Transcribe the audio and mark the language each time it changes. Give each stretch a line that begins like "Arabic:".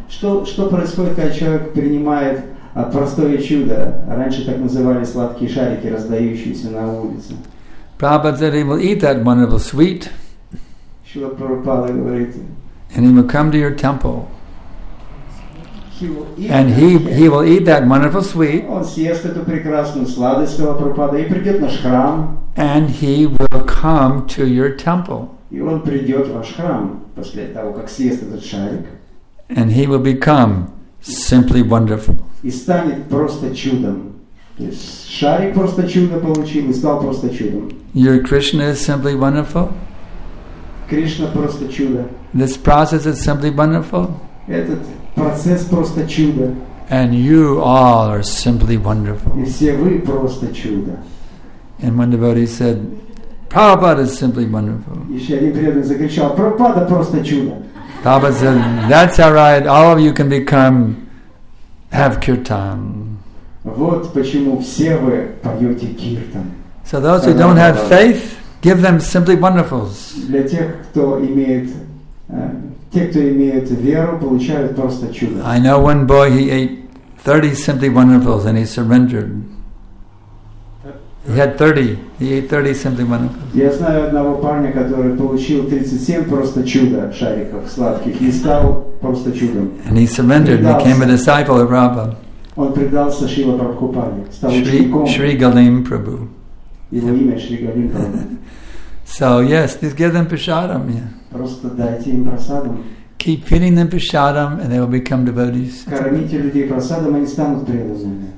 Russian: Что происходит, когда человек принимает простое чудо, раньше так называли сладкие шарики, раздающиеся на улице.
English: Prabhupada said he will eat that wonderful sweet.
Russian: Шрила Прабхупада говорит.
English: And he will come to your temple. He will eat and he will eat that wonderful sweet.
Russian: Он съест эту прекрасную сладость, Шрила Прабхупада, и придет в наш храм.
English: And he will come to your temple.
Russian: И он придет в ваш храм после того, как съест этот шарик.
English: And he will become simply wonderful.
Russian: И станет просто чудом. То есть шарик просто чудо получил и стал просто чудом.
English: Your Krishna is simply wonderful.
Russian: Кришна просто чудо.
English: This process is simply wonderful.
Russian: Этот процесс просто чудо.
English: And you all are simply wonderful.
Russian: И все вы просто чудо.
English: And one devotee said, Prabhupada is simply wonderful.
Russian: Еще один преданный закричал, Прабхупада просто чудо.
English: Prabhupada said, that's all right, all of you can become, have kirtan.
Russian: Вот почему все вы поете киртан.
English: So those who don't have faith, give them simply wonderfuls.
Russian: Для тех, кто имеет, те, кто имеет веру, получают просто чудо.
English: I know one boy, he ate 30 simply wonderfuls and he surrendered. He had 30. He ate 30 simply wonderful.
Russian: Я знаю одного парня, который получил 37 просто чудо шариков сладких и стал просто чудом.
English: And he surrendered and became a disciple of Prabhupada.
Russian: Он предался Шрила Прабхупаде, стал учеником. Шри Галим Прабху. Его имя Шри Галим Прабху.
English: So yes, just give them prasadam. Yeah.
Russian: Просто дайте им прасадам.
English: Keep feeding them prasadam and they will become devotees.
Russian: Кормите людей прасадам, они станут преданными.